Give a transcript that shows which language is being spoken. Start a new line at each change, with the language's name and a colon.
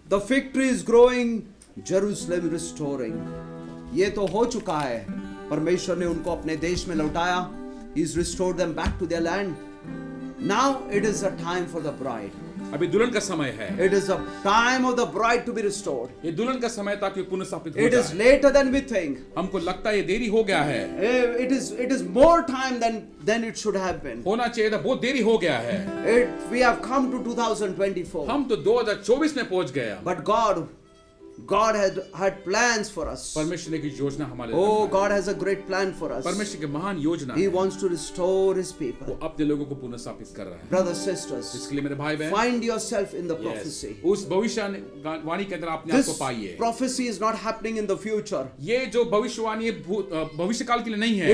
English: The fig tree is growing, Jerusalem restoring.
Hindi: ये तो हो चुका है. परमेश्वर ने उनको अपने देश में लौटाया.
English: He's restored them back to their land. Now it is a time for the bride.
Hindi: अभी दुल्हन का समय है.
English: It is a time of the bride to be restored.
Hindi: ये दुल्हन का समय ताकि पुनर्स्थापित हो जाए.
English: It is later than we think.
Hindi: हमको लगता है ये देरी हो गया है.
English: It is more time than it should have been.
Hindi: होना चाहिए था, बहुत देरी हो गया है.
English: We have come to 2024.
Hindi: हम तो 2024 में पहुंच गए.
English: But God had plans for us.
Hindi: परमेश्वर ने की योजना हमारे.
English: Oh, God has a great plan for us.
Hindi: परमेश्वर की महान योजना.
English: He wants to restore His people.
Hindi: वो अपने लोगों को पुनर्स्थापित कर रहा है.
English: Brothers, sisters.
Hindi: इसके लिए मेरे भाई बहन.
English: Find yourself in the prophecy.
Hindi: उस भविष्यवाणी के अंदर आपने आपको पाइए.
English: This prophecy is not happening in the future.
Hindi: ये जो भविष्यवाणी भविष्यकाल के लिए नहीं है.